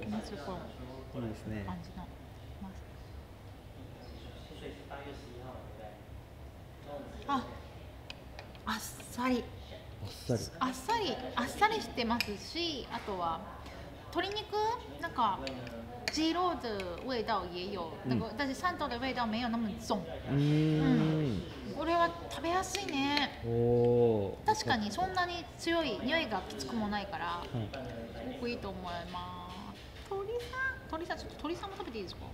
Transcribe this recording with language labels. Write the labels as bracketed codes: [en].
[ja] 気持ちよく、いいですね。感じの。あ、あっさり。あっさり。あっさり、あっさりしてますし、あとは鶏肉なんか。 [zh] 鸡肉的味道也有，那个但是汕头的味道没有那么重。 [ja] 嗯，これは食べやすいね。お、確かにそんなに強い匂いがきつくもないから、すごくいいと思います。鶏さん、鶏さん、ちょっと鶏さんも食べていいですか？